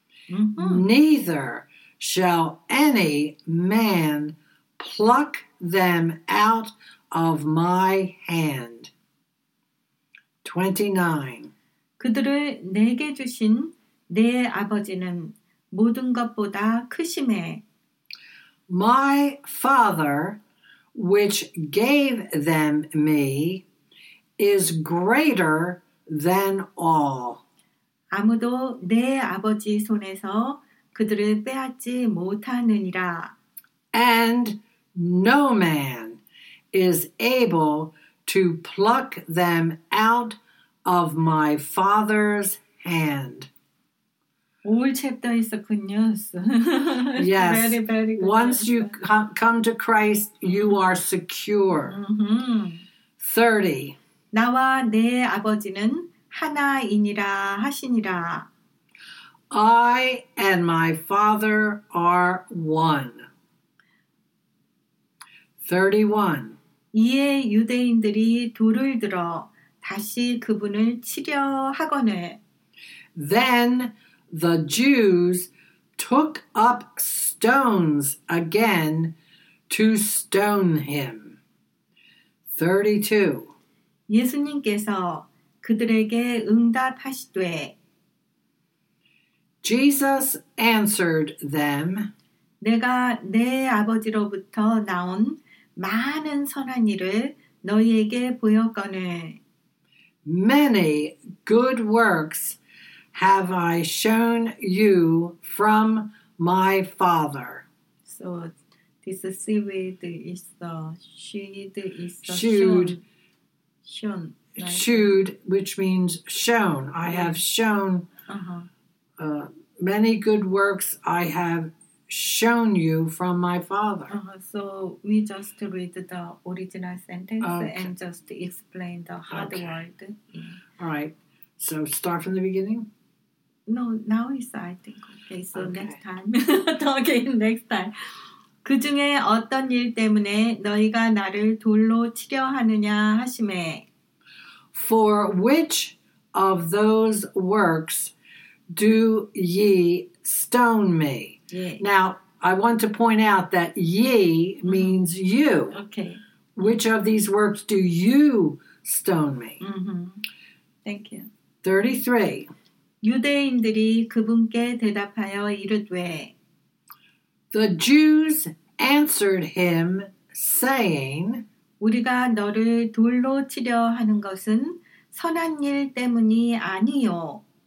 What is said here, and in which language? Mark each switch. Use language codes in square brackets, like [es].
[en] Neither shall any man pluck them out of my hand. 29. [ko] 그들을 내게 주신 내 아버지는 모든 것보다 크심에 [en] My Father, which gave them me, is greater than all. [ko] 아무도 내 아버지 손에서 그들을 빼앗지 못하느니라. [en] And no man is able to pluck them out of my father's hand. Old chapter is a good news. Yes. Very, very good. Once you come to Christ, you are secure. Mm-hmm. 30. [ko] 나와 내 아버지는 하나이니라 하시니라. [en] I and my father are one. 31. [ko] 이에 유대인들이 돌을 들어 다시 그분을 치려 하거늘. [en] Then the Jews took up stones again to stone him. 32. [ko] 예수님께서 그들에게 응답하시되. [en] Jesus answered them. [ko] 내가 내 아버지로부터 나온 많은 선한 일을 너희에게 보였거늘. [en] Many good works have I shown you from my Father. So this seaweed is the sheed is the shewed. Shown. Right? Shewed, which means shown. I have shown many good works I have shown you from my father. So we just read the original sentence and just explain the hard word. All right. So start from the beginning? No, now is I think. Okay, so next time. Talking next time. [ko] 그 중에 어떤 일 때문에 너희가 나를 돌로 치려 하느냐 하시매. [en] For which of those works do ye stone me? Yeah. Now, I want to point out that ye means you. Okay. Which of these works do you stone me? Mm-hmm. Thank you. 33. [ko] 유대인들이 그분께 대답하여 이르되. [en] The Jews answered him, saying, [ko] 우리가 너를 돌로 치려 하는 것은 선한 일 때문이 아니요.